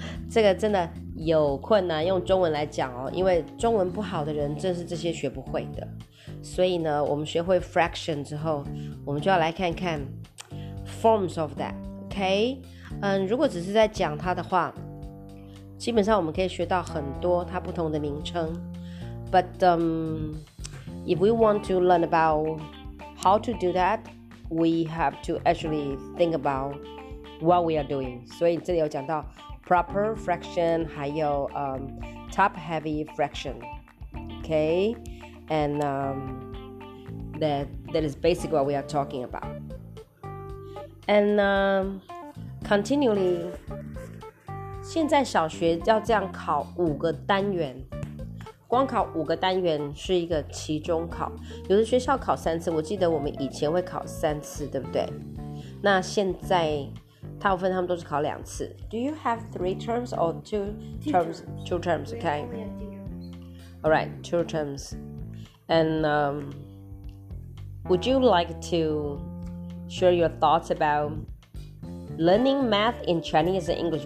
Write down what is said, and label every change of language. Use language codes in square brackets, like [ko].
[zh] 这个真的有困难用中文来讲哦，因为中文不好的人正是这些学不会的。所以呢，我们学会 fraction 之后，我们就要来看看 forms of that。 OK， 如果只是在讲它的话，基本上我们可以学到很多它不同的名称。 [en] But if we want to learn about how to do that, we have to actually think about what we are doing. [zh] 所以这里有讲到 proper fraction， 还有top heavy fraction。OK。 [en] And that is basically what we are talking about. [zh] And continually, 现在小学要这样考五个单元，光考五个单元是一个期中考。有的学校考三次，我记得我们以前会考三次，对不对？那现在大部分他们都是考两次。 [en] Do you have three terms or two terms? Two terms, okay. All right, two terms. And would you like to share your thoughts about learning math in Chinese and English?